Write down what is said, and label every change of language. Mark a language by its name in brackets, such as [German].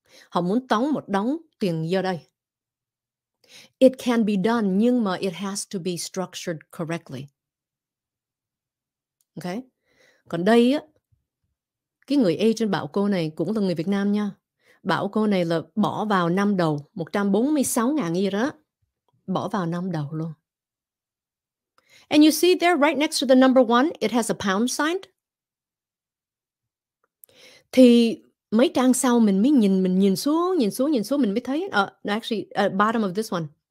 [Vietnamese] Họ muốn đóng một đống tiền giờ đây. [English] It can be done, [Vietnamese] nhưng mà [English] it has to be structured correctly. [Vietnamese] Okay? Còn đây á, cái người agent bảo cô này cũng là người Việt Nam nha. Bảo cô này là bỏ vào năm đầu 146.000 gì đó. Bỏ vào năm đầu luôn. [English] And you see there right next to the number one, it has a pound sign. [Vietnamese] Thì mấy trang sau mình mới nhìn xuống, mình mới thấy [English] bottom of this one.